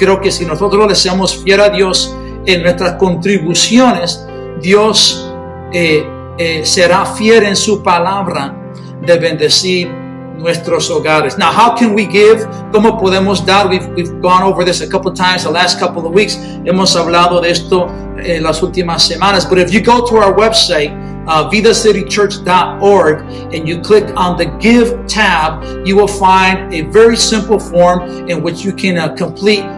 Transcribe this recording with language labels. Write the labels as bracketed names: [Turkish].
[Spanish] Creo que si nosotros le seamos fiel a Dios en nuestras contribuciones, Dios será fiel en su palabra de bendecir nuestros hogares. [English] Now, how can we give? [Spanish] ¿Cómo podemos dar? [English] We've gone over this a couple of times the last couple of weeks. [Spanish] Hemos hablado de esto en las últimas semanas. [English] But if you go to our website, VidaCityChurch.org, and you click on the Give tab, you will find a very simple form in which you can complete